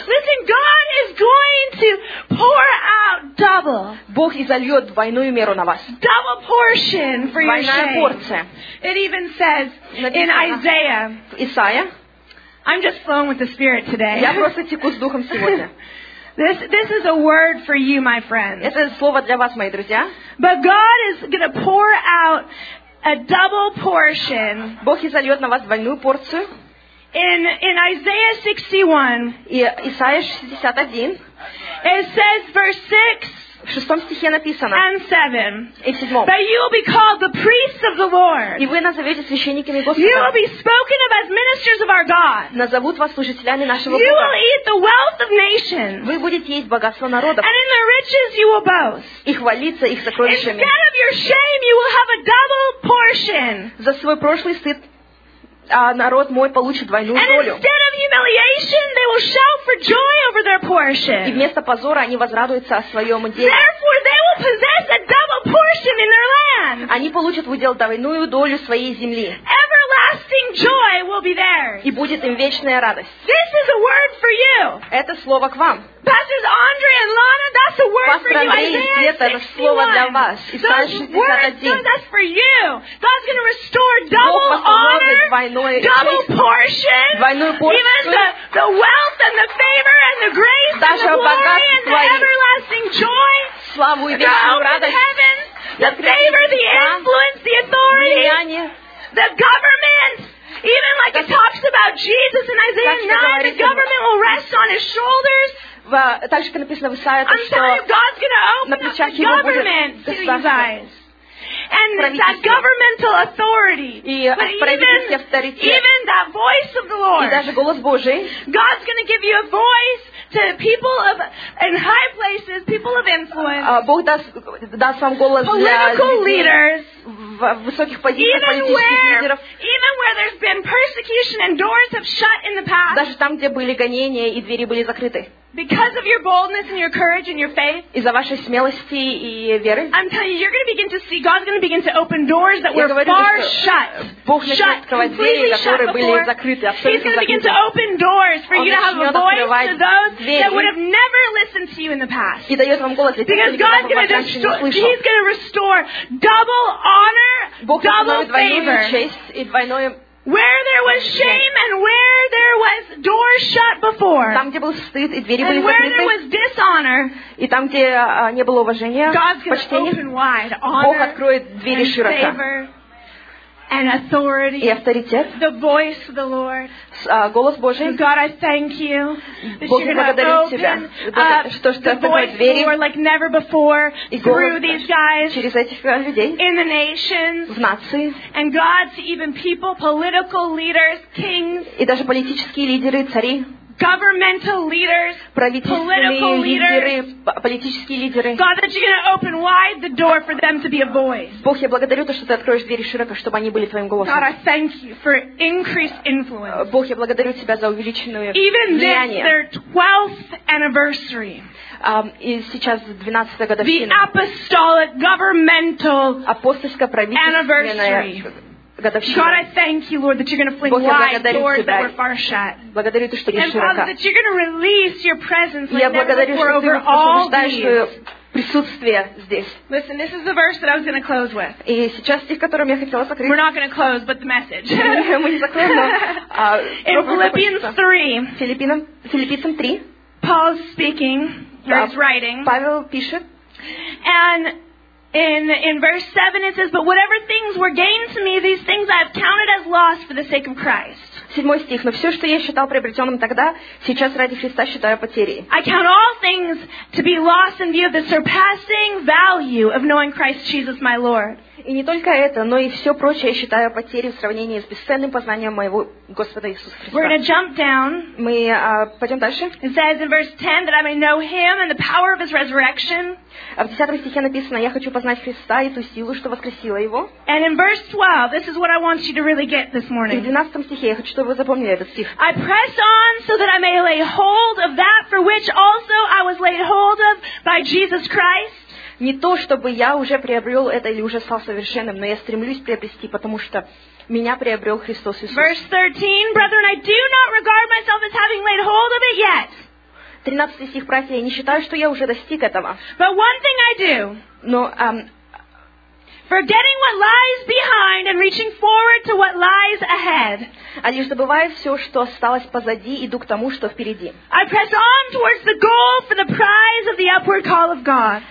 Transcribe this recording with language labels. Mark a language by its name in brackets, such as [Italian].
[English] Listen, God is going to pour out double. [Russian] Бог изольет двойную меру на вас. [English] Double portion for [Russian] Двойная [English] your shame. [Russian] Порция. [English] It even says in Isaiah. [Russian] В Исаия. [English] I'm just flowing with the Spirit today. [Russian] Я просто теку с духом сегодня. [English] This is a word for you, my friends. [Russian] Это слово для вас, мои друзья. [English] But God is going to pour out a double portion. [Russian] Бог изольет на вас двойную порцию. [English] In Isaiah 61. [Russian] Исаия 61. [English] It says verse 6. [Russian] В шестом стихе написано. [English] And 7. [Russian] И в седьмом. [English] That you will be called the priests of the Lord. [Russian] И вы назовете священниками Господа. [English] You will be spoken of as ministers of our God. [Russian] Назовут вас служителями нашего Бога. [English] You will eat the wealth of nations. [Russian] Вы будете есть богатство народов. [English] And in the riches you will boast. [Russian] И хвалиться их сокровищами. [English] Instead of your shame, you will have a double portion. [Russian] За свой прошлый стыд народ мой получит двойную долю. [English] And instead of humiliation, they will shout for joy over their portion. [Russian] И вместо позора они возрадуются о своем уделе. [English] Therefore, they will possess a double portion in their land. [Russian] Они получат в удел двойную долю своей земли. [English] Everlasting joy will be theirs. [Russian] И будет им вечная радость. [English] This is a word for you. [Russian] Это слово к вам. [English] Pastors Andre and Lana, that's a word Pastor for you. Isaiah 61. That's for you. God's going to restore double honor, double portion, even the wealth and the favor and the grace and the glory and the everlasting joy. [Russian] Славу и вечную радость. [English] Heaven, the favor, the influence, the authority, the government. Even like it talks about Jesus in Isaiah 9, the government will rest on his shoulders. [Russian] Так же, как написано в Исаии, что на плечах его будет [English] государство. And that governmental authority. [Russian] И правительский авторитет. [English] Even that voice of the Lord. [Russian] И даже голос Божий. [English] God's going to give you a voice to people of in high places, people of influence. [Russian] Бог даст вам голос для в высоких позициях политических лидеров. Даже там, где были гонения и двери были закрыты. [English] Because of your boldness and your courage and your faith. [Russian] Из-за вашей смелости и веры. [English] I'm telling you, you're going to begin to see. God's going to begin to open doors that were far shut. [Russian] Бог начнет открывать двери, которые были закрыты, абсолютно закрыты. [English] He's going to begin to open doors for you to have a voice to those that would have never listened to you in the past. [Russian] И дает вам голос для тех, кто никогда раньше не слышал. [English] He's going to restore double honor, double favor. Where there was shame and where there was doors shut before. [Russian] Там, где был стыд, и двери [English] and [Russian] были [English] where [Russian] закрыты, [English] there was dishonor. [Russian] И там, где не было уважения, [English] God's going to open wide honor [Russian] Бог откроет двери [English] and [Russian] широко. [English] Favor. and authority. [Russian] И авторитет. [English] The voice of the Lord. [Russian] Голос Божий. [English] And God, I thank you. [Russian] Бог, я благодарю тебя, что ты открыл двери. [English] Like never before, [Russian] и голос [English] through these guys, [Russian] через этих людей. [English] In the nations, [Russian] в нации. [English] And God, to even people, political leaders, kings. [Russian] И даже политические лидеры, цари. [English] Governmental leaders, political leaders. God, that you're going to open wide the door for them to be a voice. [Russian] Бог, я благодарю то, что ты откроешь двери широко, чтобы они были твоим голосом. [English] God, I thank you for increased influence. [Russian] Бог, я благодарю тебя за увеличенное влияние. [English] Even this, their 12th anniversary. [Russian] И сейчас 12-я годовщина. [English] The apostolic governmental anniversary. God, I thank you, Lord, that you're going to fling wide doors that were far shut. And Father, that you're going to release your presence like never before over all these. [Russian] Присутствие здесь. [English] Listen, this is the verse that I was going to close with. [Russian] И сейчас стих, которым я хотела закрыть. [English] We're not going to close, but the message. [Russian] Мы не закроем, но. [English] In Philippians 3. [Russian] Филиппийцам 3. [English] Paul's speaking, or he's writing. [Russian] Павел пишет. [English] And In verse 7 it says, but whatever things were gained to me, these things I have counted as loss for the sake of Christ. [Russian] 7 стих. Но все, что я считал приобретенным тогда, сейчас ради Христа считаю потерей. [English] I count all things to be lost in view of the surpassing value of knowing Christ Jesus my Lord. [Russian] И не только это, но и все прочее я считаю потерей в сравнении с бесценным познанием моего Господа Иисуса Христа. [English] We're going to jump down. [Russian] Мы пойдем дальше. [English] It says in verse 10 that I may know him and the power of his resurrection. [Russian] В 10 стихе написано, я хочу познать Христа и ту силу, что воскресила его. [English] And in verse 12, this is what I want you to really get this morning. [Russian] В 12 стихе я хочу, чтобы вы запомнили этот стих. [English] I press on so that I may lay hold of that for which also I was laid hold of by Jesus Christ. [Russian] Не то, чтобы я уже приобрел это или уже стал совершенным, но я стремлюсь приобрести, потому что меня приобрел Христос Иисус. [English] Verse 13, brethren, I do not regard myself as having laid hold of it yet. [Russian] 13 стих, братья, я не считаю, что я уже достиг этого. [English] But one thing I do. [Russian] Но, [English] forgetting what lies behind and reaching forward to what lies ahead. [Russian] А лишь забывая все, что осталось позади, иду к тому, что впереди. [English] I press on towards the goal for the prize of the upward call of God.